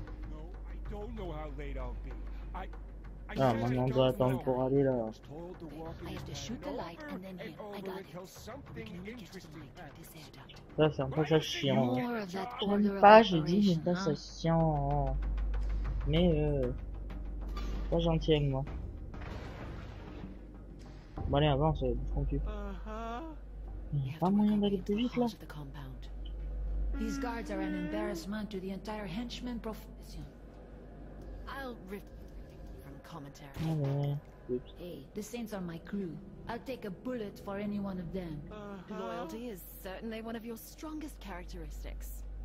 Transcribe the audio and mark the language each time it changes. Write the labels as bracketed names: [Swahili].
[English] No, I don't know how late I'll be. I have to shoot the light and then hit. I got it. We can only get to the light through this air duct. [French] Ça, c'est un passage chiant. J'aime pas, j'ai dit, j'ai un passage chiant. Mais pas gentil avec moi. Bon allez, avance, tranquille. Il n'y a pas moyen d'aller plus vite là. [English] These guards are an embarrassment to the entire henchman profession. I'll rip from commentary. Hey, the Saints are my crew. I'll take a bullet for any one of them. Loyalty is certainly one of your strongest characteristics.